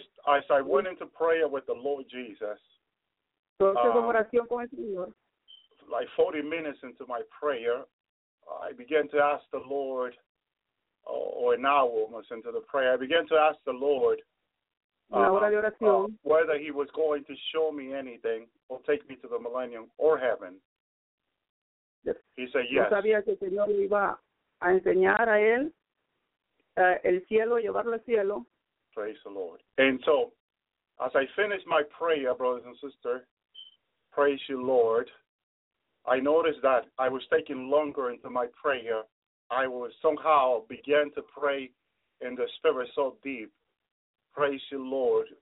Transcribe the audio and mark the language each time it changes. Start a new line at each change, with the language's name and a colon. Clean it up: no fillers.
English: As I went into prayer with the Lord Jesus, like 40 minutes into my prayer, I began to ask the Lord, or an hour almost into the prayer, I began to ask the Lord whether he was going to show me anything or take me to the millennium or heaven. He said yes.
Spanish: Yo sabía que el Señor iba a enseñar a él el cielo, llevarlo al cielo.
English: Praise the Lord. And so, as I finished my prayer, brothers and sisters, praise you, Lord, I noticed that I was taking longer into my prayer. I was somehow began to pray in the spirit so deep. Praise you, Lord.